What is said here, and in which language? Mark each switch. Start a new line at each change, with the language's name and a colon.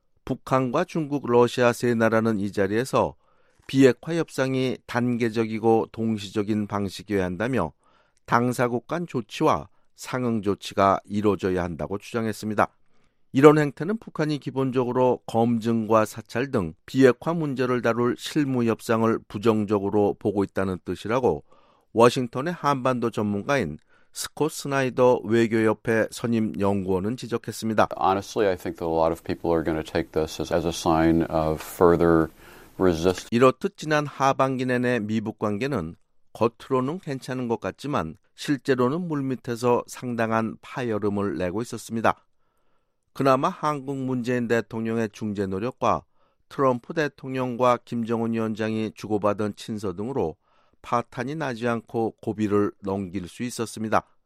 Korean: 북한과 중국, 러시아 세 나라는 이 자리에서 비핵화 협상이 단계적이고 동시적인 방식이어야 한다며 당사국 간 조치와 상응 조치가 이루어져야 한다고 주장했습니다. 이런 행태는 북한이 기본적으로 검증과 사찰 등 비핵화 문제를 다룰 실무 협상을 부정적으로 보고 있다는 뜻이라고 워싱턴의 한반도 전문가인 스콧 스나이더 외교협회 선임 연구원은 지적했습니다.
English: Honestly, I think that a lot of people are going to take this as a sign of further resistance.
Korean: 이렇듯 지난 하반기 내내 미북 관계는 겉으로는 괜찮은 것 같지만 실제로는 물밑에서 상당한 파열음을 내고 있었습니다. 그나마 한국 문재인 대통령의 중재 노력과 트럼프 대통령과 김정은 위원장이 주고받은 친서 등으로 파탄이 나지 않고 고비를 넘길 수 있었습니다.